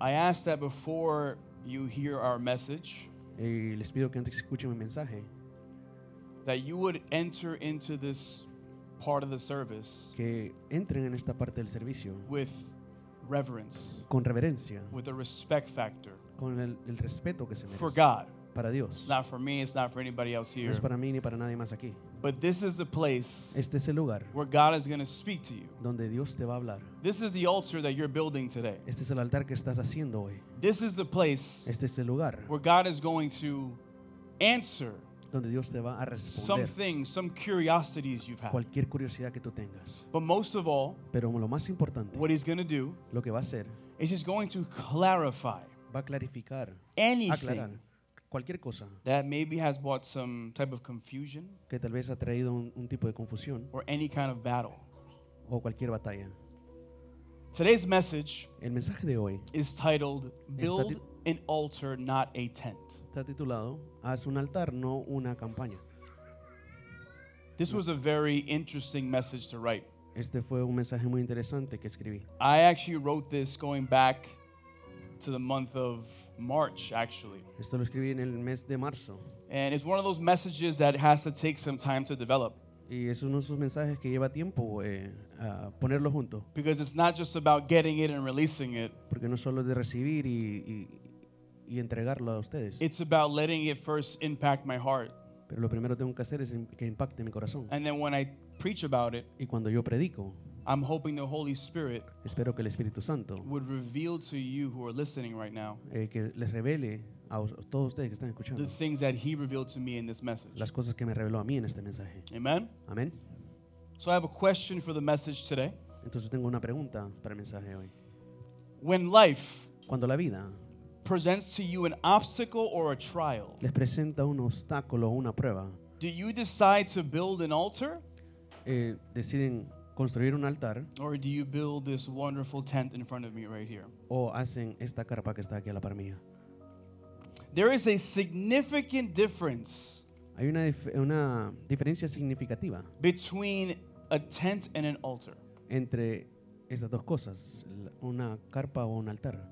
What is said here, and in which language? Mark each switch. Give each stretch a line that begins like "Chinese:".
English: I ask that before you hear our message,
Spanish: les pido que antes escuchen mi mensaje,
English: that you would enter into this part of the service,
Spanish: que entren en esta parte del servicio,
English: with reverence,
Spanish: con reverencia,
English: with a respect factor,
Spanish: con el respeto que se merece,
English: for God.
Spanish: Para Dios.
English: It's not for me, it's not for anybody else here.
Spanish: No es para mí, ni para nadie más aquí.
English: But this is the place,
Spanish: este es el lugar,
English: where God is going to speak to you.
Spanish: Donde Dios te va a hablar.
English: This is the altar that you're building today.
Spanish: Este es el altar que estás haciendo hoy.
English: This is the place,
Spanish: este es el lugar,
English: where God is going to answer,
Spanish: donde Dios te va a responder,
English: something, some curiosities you've had.
Spanish: Cualquier curiosidad que tú tengas.
English: But most of all,
Spanish: pero lo más importante,
English: what he's going to do,
Spanish: lo que va a hacer,
English: is he's going to clarify,
Spanish: va a clarificar,
English: anything,
Spanish: aclarar, cualquier cosa,
English: that maybe has brought some type of confusion,
Spanish: que tal vez ha traído un tipo de confusión,
English: or any kind of battle,
Spanish: o cualquier batalla.
English: Today's message,
Spanish: el mensaje de hoy,
English: is titled "Build an altar, not a tent."
Spanish: Está titulado "Haz un altar, no una campaña."
English: This was a very interesting message to write.
Spanish: Este fue un mensaje muy interesante que escribí.
English: I actually wrote this going back to the month of March, actually.
Spanish: Esto lo escribí en el mes de marzo.
English: And it's one of those messages that has to take some time to develop.
Spanish: Y es uno de esos mensajes que lleva tiempo a ponerlo junto.
English: Because it's not just about getting it and releasing it.
Spanish: Porque no solo de recibir y entregarlo a ustedes.
English: It's about letting it first impact my heart.
Spanish: Pero lo primero tengo que hacer es que impacte mi corazón.
English: And then when I preach about it,
Spanish: y cuando yo predico,
English: I'm hoping the Holy Spirit,
Spanish: espero que el Espíritu Santo,
English: would reveal to you who are listening right now,
Spanish: que les revele a todos ustedes que están escuchando,
English: the things that he revealed to me in this message.
Spanish: Las cosas que me reveló a mí en este mensaje.
English: Amen.
Spanish: Amen.
English: So I have a question for the message today.
Spanish: Entonces tengo una pregunta para el mensaje hoy.
English: When life,
Spanish: cuando la vida,
English: presents to you an obstacle or a trial,
Spanish: les presenta un obstáculo o una prueba,
English: do you decide to build an altar?
Spanish: Deciden construir un altar,
English: or do you build this wonderful tent in front of me right here?
Spanish: O hacen esta carpa que está aquí a la par mía.
English: There is a significant difference.
Spanish: Hay una diferencia significativa
English: between a tent and an altar.
Spanish: Entre estas dos cosas, una carpa o un altar.